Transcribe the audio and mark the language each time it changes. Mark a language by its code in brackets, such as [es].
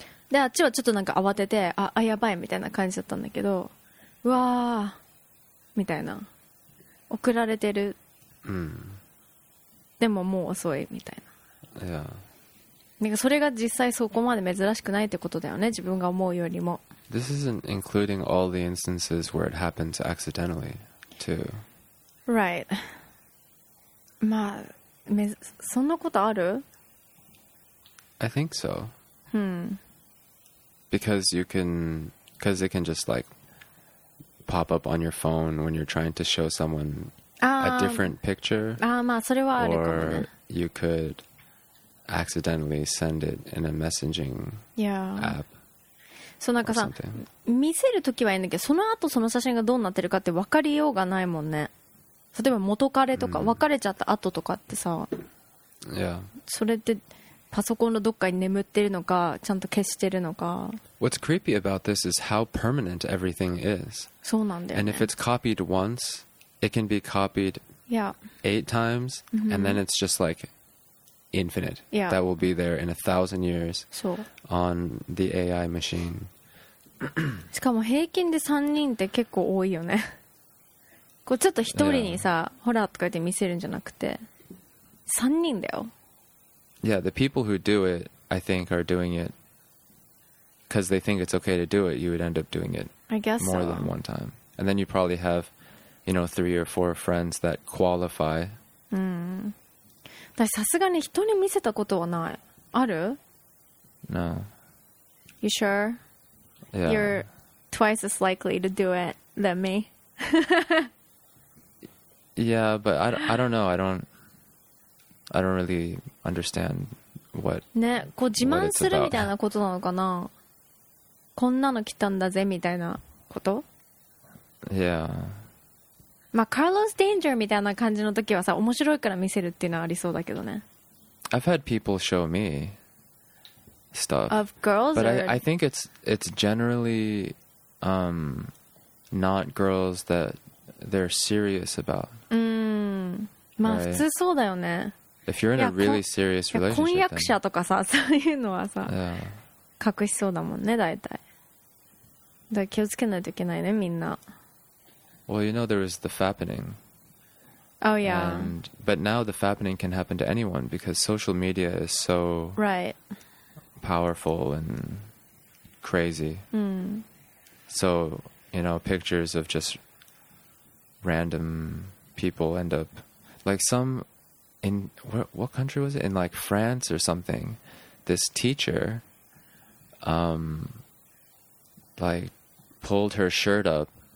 [ja] で、あっちはちょっとなんか慌てて、あ、やばいみたいな感じだったんだけど、うわーみたいな、送られてる、うん、でももう遅いみたいな。いや、なんかそれが実際そこまで珍しくないってことだよね、自分が思うよりも。 [en] This isn't including all the instances where it happens accidentally too. Right. [ja] まあ、そんなことある？ [en] I think so. Hmm. Because you can, because it can just like pop up on your phone when you're trying to show someone a different picture. [ja] Ah, まあそれはあるかもね。 [en] Or you could accidentally send it in a messaging app. [ja] そう、なんかさ、見せるときはいいんだけど、その後その写真がどうなってるかって分かりようがないもんね。例えば元彼とか、mm. 別れちゃった後とかってさ、 [en] yeah. [ja] それって。パソコンのどっかに眠ってるのか、ちゃんと消してるのか。 [en] What's creepy about this is how permanent everything is. [ja] そうなんだよね。 [en] And if it's copied once, it can be copied eight times, and then it's just like infinite. Yeah. That will be there in 1,000 years on the AI machine. [ja] しかも平均で3人って結構多いよね。こうちょっと1人にさ、ホラーとか言って見せるんじゃなくて、3人だよ。 [en] Yeah, the people who do it, I think, are doing it because they think it's okay to do it. You would end up doing it more than one time. And then you probably have, you know, 3 or 4 friends that qualify. [ja] うん。さすがに人に見せたことはない。ある? [en] No. You sure? Yeah. You're twice as likely to do it than me. Yeah, but I don't know. I don't really understand what. [ja] ね、こう自慢するみたいなことなのかな。こんなの来たんだぜみたいなこと。 [en] Yeah. [ja] まあ、Carlos Danger みたいな感じの時はさ、面白いから見せるっていうのはありそうだけどね。 [en] I've had people show me stuff of girls, but I think it's generally not girls that they're serious about. [ja] まあ、普通そうだよね。 [en] If you're in a really serious relationship, [ja] 婚約者とかさ、そういうのはさ、 [en] yeah. [ja] 隠しそうだもんね、大体。だから気をつけないといけないね、みんな。 [en] Well, you know, there was the fappening. Oh, yeah. And, but now the fappening can happen to anyone because social media is so right. powerful and crazy. [ja] うん。 [en] So, you know, pictures of just random people end up, like some, in what country was it? In like France or something, this teacher, like pulled her shirt up.